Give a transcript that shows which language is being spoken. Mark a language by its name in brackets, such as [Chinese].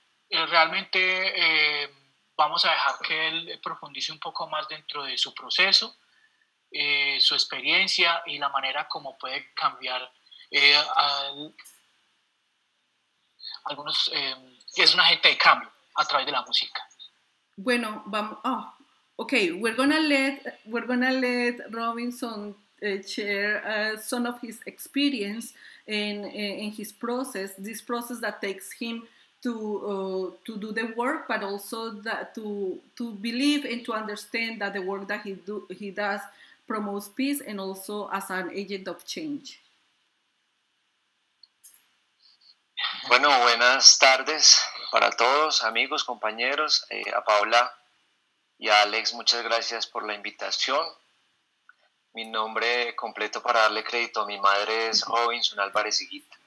[Spanish] Realmente vamos a dejar que él profundice un poco más dentro de su proceso, su experiencia y la manera como puede cambiar algunos. Es un agente de cambio a través de la música. Bueno, [English] we're gonna let Robinson share some of his experience in his process, this process that takes him to do the work, but also to believe and to understand that the work that he does promotes peace and also as an agent of change. [Spanish] Bueno, buenas tardes para todos, amigos, compañeros, a Paola y a Alex, muchas gracias por la invitación. Mi nombre completo para darle crédito a mi madre es Robinson Álvarez Higuita.